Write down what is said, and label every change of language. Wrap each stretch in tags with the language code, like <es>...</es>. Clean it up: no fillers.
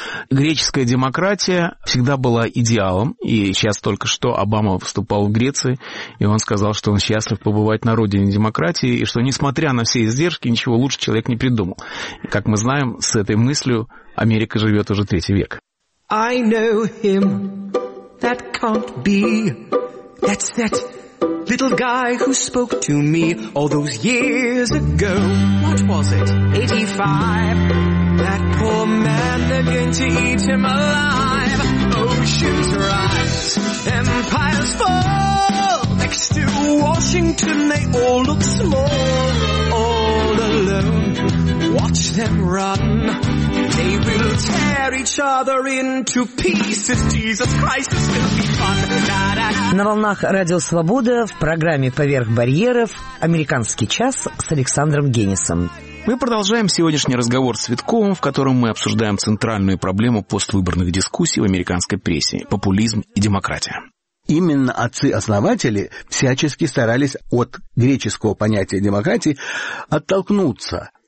<ru>Греческая демократия всегда была идеалом, и сейчас только что Обама выступал в Греции, и он сказал, что он счастлив побывать на родине демократии, и что, несмотря на все издержки, ничего лучше человек не придумал. И, как мы знаем, с этой мыслью Америка живет уже третий век.</ru> <en>I know him, that can't be, that's that little guy who spoke to me all those years ago. What was it, 85? That poor man, they're going to eat him alive. Oceans rise, empires fall. Next to Washington, they all look small. All alone, watch them run. They will tear each other into pieces. Jesus Christ, it's gonna be fun.</en> <ru>На волнах Радио Свобода в программе «Поверх барьеров» «Американский час» с Александром Генисом. Мы продолжаем сегодняшний разговор с Цветковым, в котором мы обсуждаем центральную проблему поствыборных дискуссий в американской прессе – популизм и демократия. Именно отцы-основатели всячески старались от греческого понятия демократии оттолкнуться.</ru>